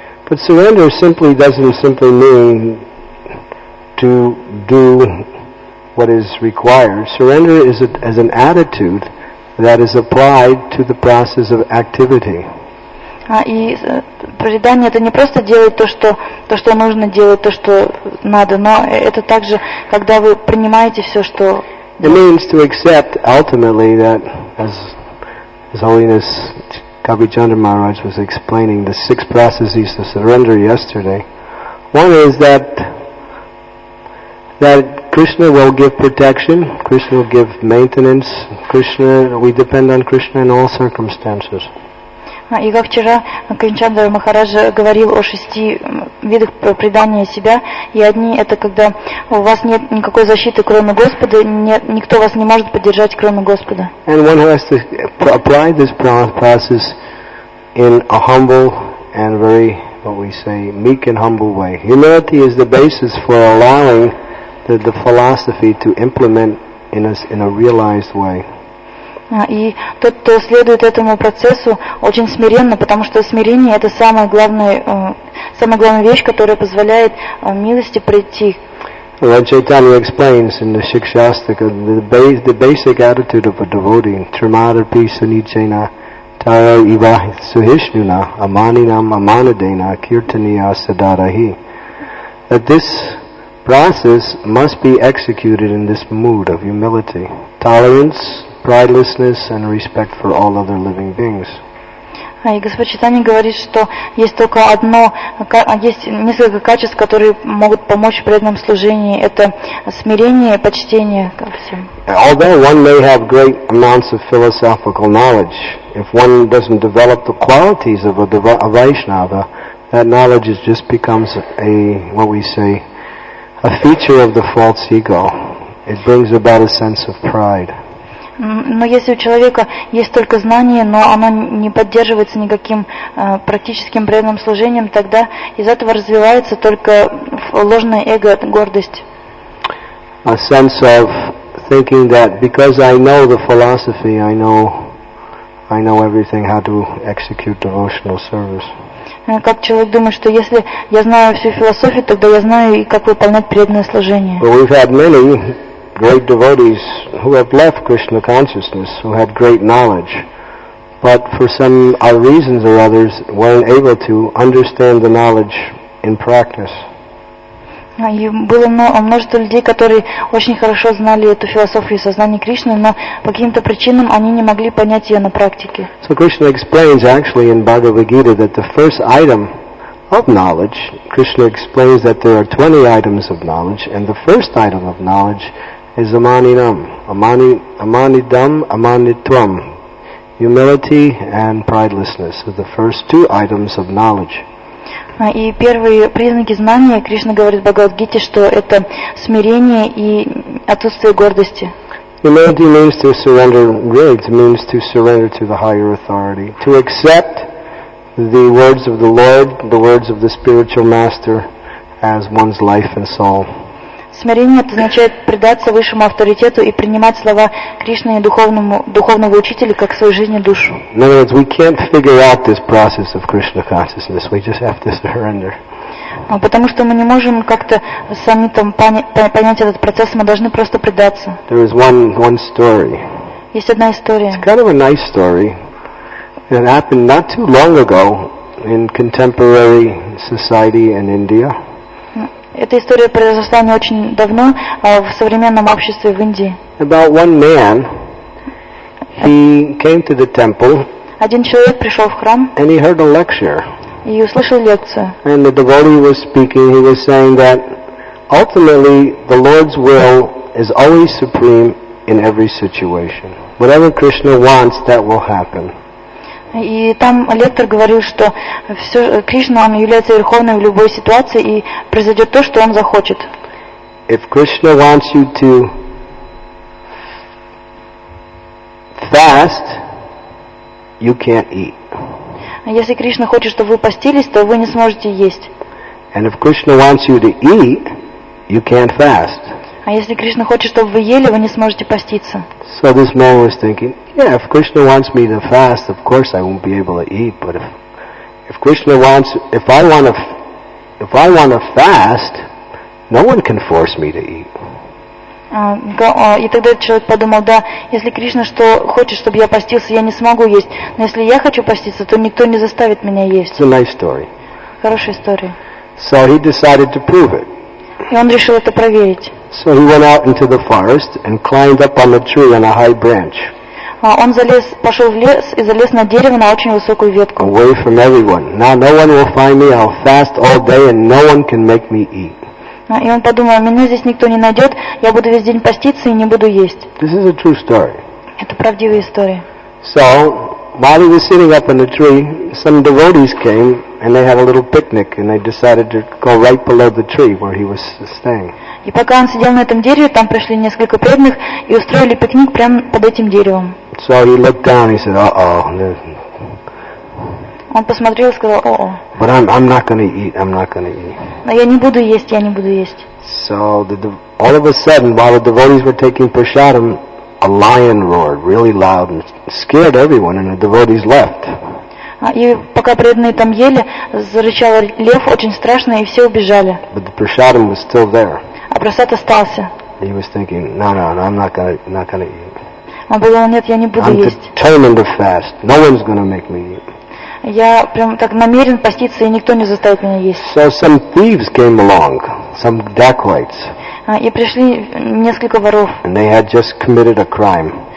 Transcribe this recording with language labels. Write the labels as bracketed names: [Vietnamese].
[English] But surrender simply doesn't simply mean to do what is required. Surrender is as an attitude that is applied to the process of activity. [Russian] И предание — это не просто делать то, что нужно делать, то, что надо, но это также, когда вы принимаете все, что... [English] It means to accept ultimately that as His Holiness Kabi Chandra Maharaj was explaining the six processes to surrender yesterday. One is that Krishna will give protection, Krishna will give maintenance, Krishna, we depend on Krishna in all circumstances. [Russian] И как вчера Кринчандра Махараджа говорил о шести видах предания себя, и одни — это когда у вас нет никакой защиты, кроме Господа, нет, никто вас не может поддержать, кроме Господа. [English] And one has to apply this process in a humble and very, what we say, meek and humble way. Humility is the basis for allowing the philosophy to implement in a realized way. [Russian] И тот, кто следует этому процессу, очень смиренно, потому что смирение — это самая главная вещь, которая позволяет милости прийти. [English] Lord Chaitanya explains in the Shikshastaka the basic attitude of a devotee: [Sanskrit] Trimadarpi sunichena taro iva suhishnuna amaninam amanadena kirtaniya sadarahi. [English] That this process must be executed in this mood of humility, tolerance, pridelessness and respect for all other living beings. [Russian] И Господь Читание говорит, что есть только одно, есть несколько качеств, которые могут помочь в преданном служении. Это смирение, почтение ко всем. [English] Although one may have great amounts of philosophical knowledge, if one doesn't develop the qualities of a Vaishnava, that knowledge just becomes a feature of the false ego. It brings about a sense of pride. [Russian] Но если у человека есть только знание, но оно не поддерживается никаким практическим преданным служением, тогда из этого развивается только ложное эго, гордость. [English] A sense of thinking that because I know the philosophy, I know everything how to execute devotional service. [Russian] Как человек думает, что если я знаю всю философию, тогда я знаю и как выполнять преданное служение. [English] Well, we've had many great devotees who have left Krishna consciousness, who had great knowledge, but for some other reasons or others weren't able to understand the knowledge in practice. [Russian] И было множество людей, которые очень хорошо знали эту философию сознания Кришны, но по каким-то причинам они не могли понять ее на практике. [English] So Krishna explains actually in Bhagavad Gita that the first item of knowledge, Krishna explains that there are 20 items of knowledge, and the first item of knowledge is amaninam, amanidam, amanitvam. Humility and pridelessness are the first two items of knowledge. [Russian] И первые признаки знания, Кришна говорит в Бхагавад-гите, что это смирение и отсутствие гордости. [English] Humility means to surrender, really, it means to surrender to the higher authority, to accept the words of the Lord, the words of the spiritual master as one's life and soul. [Russian] Смирение — это означает предаться высшему авторитету и принимать слова Кришны и духовного учителя как свою жизнь и душу. [English] In other words, we can't figure out this process of Krishna consciousness. We just have to surrender. [Russian] Потому что мы не можем как-то сами там понять этот процесс, мы должны просто предаться. [English] There is one story. [Russian] Есть одна история. [English] It's kind of a nice story. It happened not too long ago. in contemporary society in India. [Russian] Эта история произошла не очень давно в современном обществе в Индии. [English] About one man, he came to the temple. [Russian] Один человек пришел в храм. [English] And he heard a lecture. [Russian] И услышал лекцию. [English] And the devotee was speaking. He was saying that ultimately the Lord's will is always supreme in every situation. Whatever Krishna wants, that will happen. [Russian] И там лектор говорил, что все, Кришна, он является верховным в любой ситуации, и произойдет то, что он захочет. [English] If Krishna wants you to fast, you can't eat. [Russian] Если Кришна хочет, чтобы вы постились, то вы не сможете есть. [English] And if Krishna wants you to eat, you can't fast. [Russian] А если Кришна хочет, чтобы вы ели, вы не сможете поститься. [English] So this man was thinking, yeah, if Krishna wants me to fast, of course I won't be able to eat. But if I want to fast, no one can force me to eat. [Russian] И тогда человек подумал, да, если Кришна что хочет, чтобы я постился, я не смогу есть. Но если я хочу поститься, то никто не заставит меня есть. [English] It's a nice story. [Russian] Хорошая история. [English] So he decided to prove it. [Russian] И он решил это проверить. [English] So he went out into the forest and climbed up on a tree on a high branch. [Russian] Он залез, пошел в лес и залез на дерево на очень высокую ветку. [English] Away from everyone. Now no one will find me. I'll fast all day, and no one can make me eat. [Russian] И он подумал, меня здесь никто не найдет. Я буду весь день поститься и не буду есть. [English] This is a true story. [Russian] Это правдивая история. [English] So while he was sitting up in the tree, some devotees came and they had a little picnic, and they decided to go right below the tree where he was staying. [Russian] И пока он сидел на этом дереве, там пришли несколько преданных и устроили пикник прямо под этим деревом. [English] So he looked down and he said, uh-oh. [Russian] Он посмотрел и сказал, о-о. [English] But I'm not going to eat, I'm not going to eat. [Russian] Но я не буду есть, я не буду есть. [English] So all of a sudden, while the devotees were taking prasadam, a lion roared really loud and scared everyone, and the devotees left. [Russian] И пока преданные там ели, зарычал лев очень страшно, и все убежали. [English] But the prasadam was still there. [Russian] А просад остался. [English] He was thinking, no, I'm not gonna eat. [Russian] Он подумал, нет, я не буду [English] I'm [Russian] есть. [English] I'm determined to fast. No one's gonna make me eat. [Russian] Я прям так намерен поститься, и никто не заставит меня есть. [English] So some thieves came along, some dacoits. [Russian] И пришли несколько воров. [English] And they had just committed a crime.